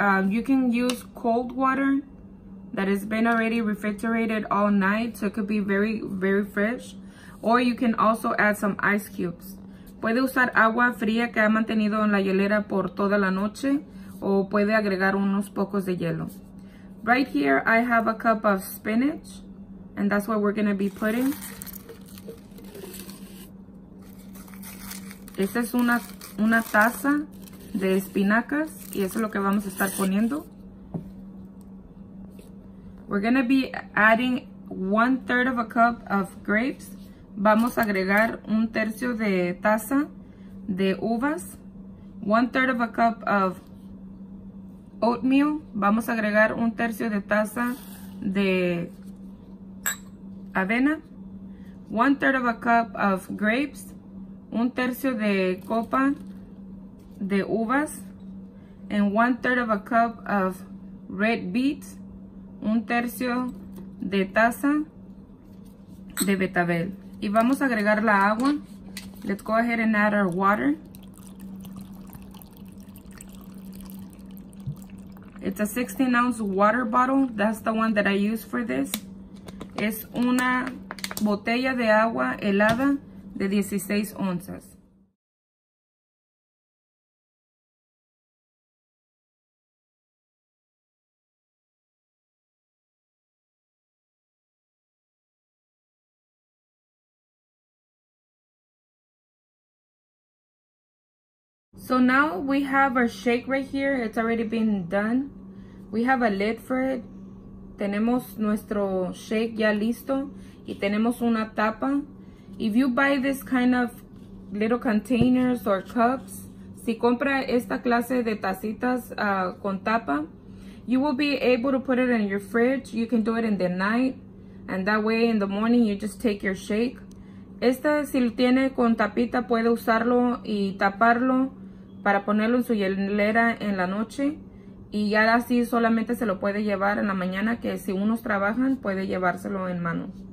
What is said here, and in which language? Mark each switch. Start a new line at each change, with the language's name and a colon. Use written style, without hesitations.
English: You can use cold water that has been already refrigerated all night, so it could be very, very fresh. Or you can also add some ice cubes.
Spanish: Puede usar agua fría que ha mantenido en la hielera por toda la noche, o puede agregar unos pocos de hielo.
English: Right here, I have a cup of spinach, and that's what we're gonna be putting.
Spanish: Esta es una taza de espinacas, y eso es lo que vamos a estar poniendo.
English: We're gonna be adding 1/3 of a cup of grapes.
Spanish: Vamos a agregar 1/3 de taza de uvas.
English: 1/3 of a cup of oatmeal.
Spanish: Vamos a agregar 1/3 de taza de avena.
English: 1/3 of a cup of grapes.
Spanish: 1/3 de copa de uvas,
English: and 1/3 of a cup of red beets,
Spanish: 1/3 de taza de betabel. Y vamos a agregar la agua.
English: Let's go ahead and add our water. It's a 16-ounce water bottle. That's the one that I use for this.
Spanish: Es una botella de agua helada de 16 onzas.
English: So now we have our shake right here. It's already been done. We have a lid for it.
Spanish: Tenemos nuestro shake ya listo y tenemos una tapa.
English: If you buy this kind of little containers or cups,
Spanish: si compra esta clase de tacitas con tapa,
English: you will be able to put it in your fridge. You can do it in the night, and that way in the morning you just take your shake.
Spanish: Esta, si lo tiene con tapita, puede usarlo y taparlo para ponerlo en su hielera en la noche, y ya así solamente se lo puede llevar en la mañana, que si unos trabajan puede llevárselo en mano.